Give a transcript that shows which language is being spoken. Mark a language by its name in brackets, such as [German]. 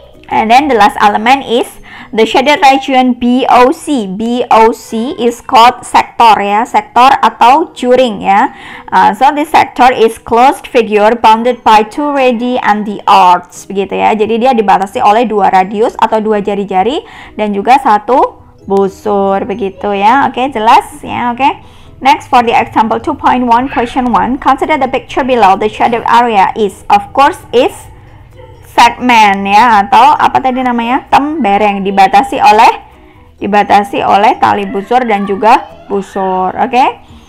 [English] And then the last element is the shaded region BOC. BOC is called sector ya, sector [Indonesian] atau juring ya. [English] So this sector is closed figure bounded by two radii and the arcs, [Indonesian] begitu ya. Jadi dia dibatasi oleh dua radius atau dua jari-jari dan juga satu busur, begitu ya. Oke, jelas ya. Oke. [English] Next, for the example 2.1 question 1, consider the picture below. The shaded area is, of course, is segment [Indonesian] ya, atau apa tadi namanya, tembereng, dibatasi oleh tali busur dan juga busur. Oke.